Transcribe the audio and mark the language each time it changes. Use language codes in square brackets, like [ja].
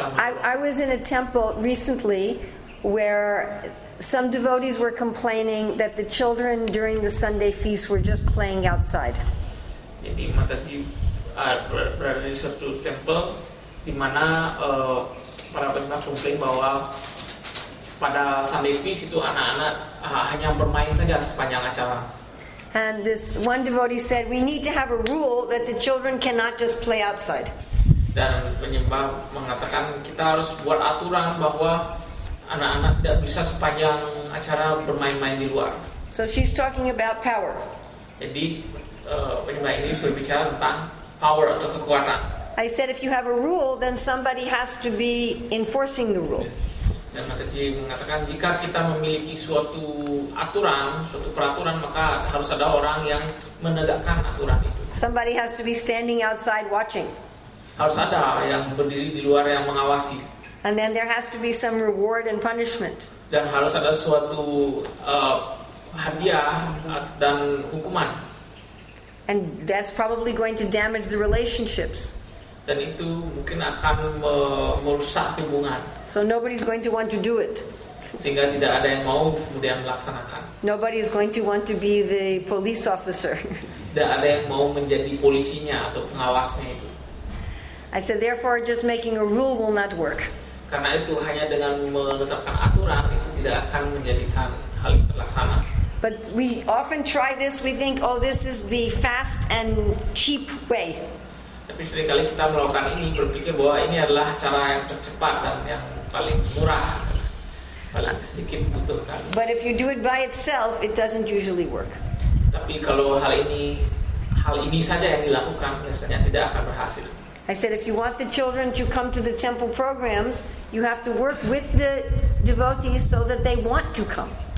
[en] I was in a temple recently where some devotees were complaining that the children during the Sunday feast were just playing outside. [id] Jadi Mataji berada di suatu temple di mana para pendengar komplain bahwa pada Sunday feast itu anak-anak hanya bermain saja sepanjang acara. [en] And this one devotee said, "We need to have a rule that the children cannot just play outside." [id] Dan penyembah mengatakan kita harus buat aturan bahwa anak-anak tidak bisa sepanjang acara bermain-main di luar. [en] So she's talking about power. [id] Jadi penyembah ini berbicara tentang power atau kekuatan. [en] I said if you have a rule, then somebody has to be enforcing the rule. [id] Dan Mataji mengatakan jika kita memiliki suatu aturan, suatu peraturan, maka harus ada orang yang menegakkan aturan itu. [en] Somebody has to be standing outside watching. [id] Harus ada yang berdiri di luar yang mengawasi. [en] And then there has to be some reward and punishment. [id] Dan harus ada suatu hadiah dan hukuman. [en] And that's probably going to damage the relationships. [id] Dan itu mungkin akan merusak hubungan. [en] So nobody's going to want to do it. [id] Sehingga tidak ada yang mau kemudian melaksanakan. [en] Nobody is going to want to be the police officer. [id] Tidak ada yang mau menjadi polisinya atau pengawasnya itu. [en] I said therefore just making a rule will not work. [id] Karena itu hanya dengan menetapkan aturan itu tidak akan menjadikan hal itu terlaksana. [en] But we often try this, we think, oh, this is the fast and cheap way. [id] Tapi seringkali kita melakukan ini berpikir bahwa ini adalah cara yang tercepat dan yang paling murah, paling sedikit membutuhkan. [en] But if you do it by itself, it doesn't usually work. [id] Tapi kalau hal ini saja yang dilakukan, biasanya tidak akan berhasil. [en] I said, if you want the children to come to the temple programs, you have to work with the devotees so that they want to come.